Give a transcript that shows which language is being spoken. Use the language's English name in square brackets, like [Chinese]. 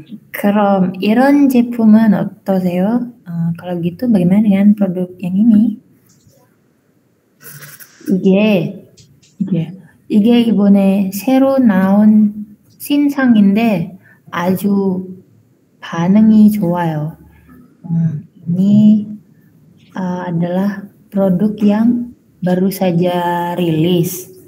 [Korean] 그럼 이런 제품은 어떠세요? [Indonesian] Kalau gitu, bagaimana dengan produk yang ini? [Korean] 이게 이번에 새로 나온 신상인데 아주 반응이 좋아요. [Indonesian] 이 adalah produk yang baru saja rilis.